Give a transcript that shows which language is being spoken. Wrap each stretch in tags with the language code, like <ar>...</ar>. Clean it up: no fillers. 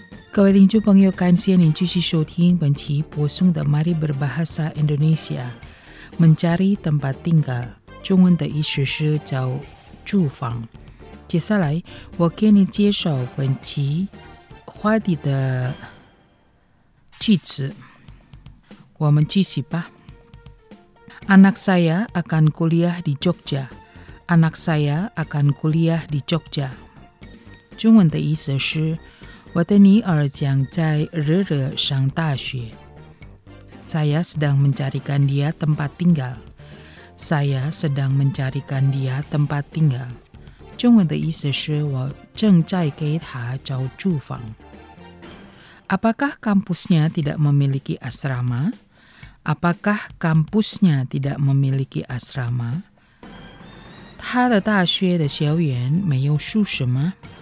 <zh>各位听众朋友，感谢您继续收听本期播送的</zh> <id>Mari Berbahasa Indonesia， Mencari Tempat Tinggal，</id> <zh>中文的意思是找住房。接下来我给你介绍本期话题的句子，我们继续吧。</zh> <id>Anak saya akan kuliah di Jogja， Anak saya akan kuliah di Jogja，</id> <zh>中文的意思是我的女儿将在日惹上大学。</zh> <id>Saya sedang mencarikan dia tempat tinggal， Saya sedang mencarikan dia tempat tinggal，</id> <zh>中文的意思是我正在给她找住房。</zh> <id>Apakah kampusnya tidak memiliki asrama？ Apakah kampusnya tidak memiliki asrama？</id> <zh>她的大学的校园没有宿舍吗？</zh>